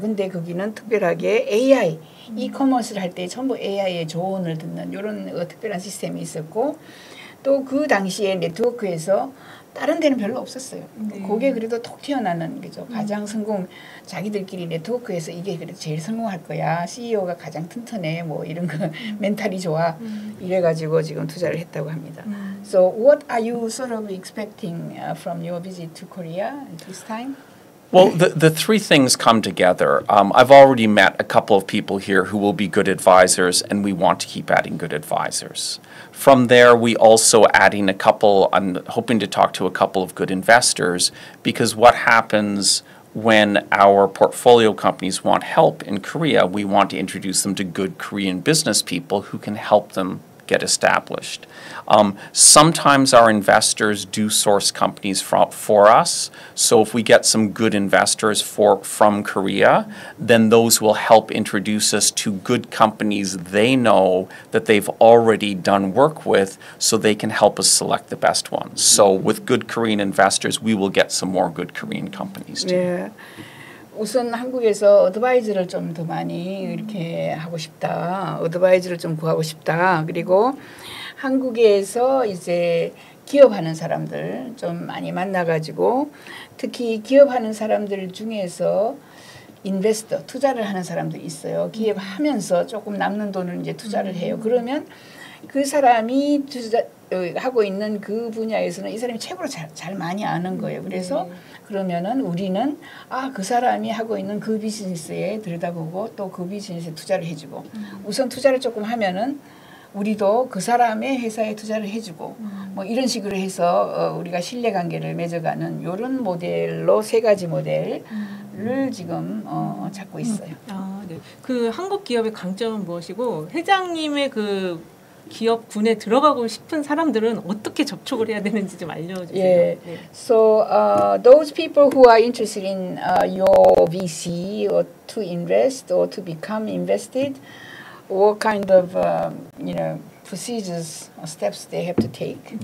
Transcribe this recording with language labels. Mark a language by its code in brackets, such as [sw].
[ko] 근데 거기는 특별하게 AI, 이커머스를 할 때 전부 AI의 조언을 듣는 이런 특별한 시스템이 있었고 또 그 당시에 네트워크에서 다른 데는 별로 없었어요. 네. 그게 그래도 톡 튀어나는 거죠. 가장 성공, 자기들끼리 네트워크에서 이게 그래도 제일 성공할 거야. CEO가 가장 튼튼해. 뭐 이런 거 멘탈이 좋아. 이래가지고 지금 투자를 했다고 합니다. [en] So what are you sort of expecting from your visit to Korea this time? Well, the three things come together. I've already met a couple of people here who will be good advisors, and we want to keep adding good advisors. From there, we also adding a couple, I'm hoping to talk to a couple of good investors, because what happens when our portfolio companies want help in Korea, we want to introduce them to good Korean business people who can help them get established. Sometimes our investors do source companies for us. So if we get some good investors from Korea, then those will help introduce us to good companies they know that they've already done work with so they can help us select the best ones. So with good Korean investors, we will get some more good Korean companies too. Yeah. [ko] 우선 한국에서 어드바이저를 좀 더 많이 이렇게 하고 싶다. 어드바이저를 좀 구하고 싶다. 그리고 한국에서 이제 기업하는 사람들 좀 많이 만나가지고 특히 기업하는 사람들 중에서 인베스터, 투자를 하는 사람들 있어요. 기업하면서 조금 남는 돈을 이제 투자를 해요. 그러면 그 사람이 하고 있는 그 분야에서는 이 사람이 최고로 잘 많이 아는 거예요. 그래서 그러면은 우리는 아, 그 사람이 하고 있는 그 비즈니스에 들여다보고 또 그 비즈니스에 투자를 해주고 우선 투자를 조금 하면은 우리도 그 사람의 회사에 투자를 해주고 뭐 이런 식으로 해서 우리가 신뢰관계를 맺어가는 이런 모델로 세 가지 모델을 지금 찾고 있어요. 아, 네. 그 한국 기업의 강점은 무엇이고 회장님의 그 기업군에 들어가고 싶은 사람들은 어떻게 접촉을 해야 되는지 좀 알려주세요. [en] Yeah. So those people who are interested in your VC or to invest or to become invested, what kind of procedures or steps they have to take?